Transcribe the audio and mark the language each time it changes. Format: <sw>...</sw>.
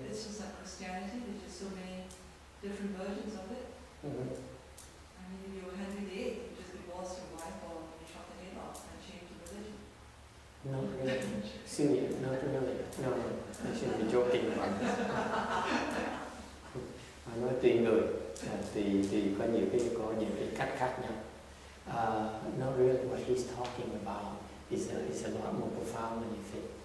<en>it's just like Christianity, there's just so many different versions of it. Mm-hmm. I mean, if you're Henry VIII, you just divorced your wife or you chopped the head off and changed the religion. Not really. Senior, not really. No, no, I shouldn't be joking about this.</en> <vi>Nói tùy người thì có nhiều cái cách khác nhau.</vi> <en>Not really what he's talking about is a lot more profound than you think.</en>